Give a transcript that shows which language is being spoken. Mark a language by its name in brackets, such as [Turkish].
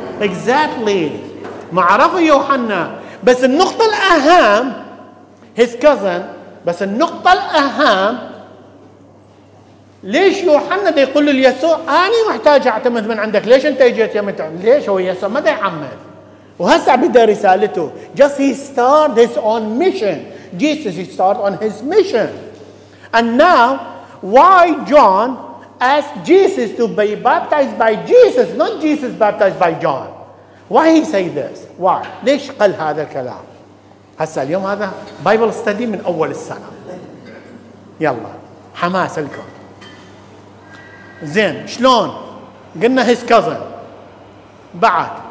[English] Exactly. [Arabic] ما عرفه يوحنا. بس النقطة الأهم. [English] His cousin. [Arabic] بس النقطة الأهم. ليش يوحنا دا يقول ليسوع أنا محتاج أعتمد من عندك؟ ليش أنت جيت يا متى؟ ليش هو يسوع ما دا يعمل؟ وهسع بدأ رسالته. [English] Just he started his own mission. Jesus he started on his mission. And now, why John asked Jesus to be baptized by Jesus, not Jesus baptized by John? Why he say this? Why? [Arabic] ليش قال هذا الكلام؟ هسع اليوم هذا Bible study من أول السنة. يلا حماس لكم. زين شلون؟ قلنا [English] his cousin. [Arabic] بعد.